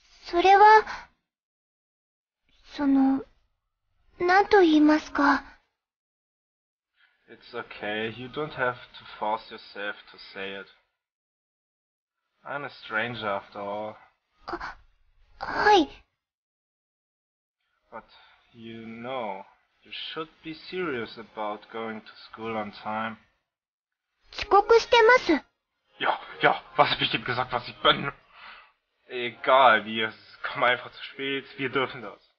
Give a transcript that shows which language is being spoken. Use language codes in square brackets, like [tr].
[ja] それは、その、なんと言いますか。 [en] It's okay, you don't have to force yourself to say it. I'm a stranger after all. [ja] はい。 [en] But you know, you should be serious about going to school on time. [ja] 遅刻してます。 [de] Ja, ja, was hab ich eben gesagt, was ich bin? Egal, wir kommen einfach zu spät, wir dürfen das.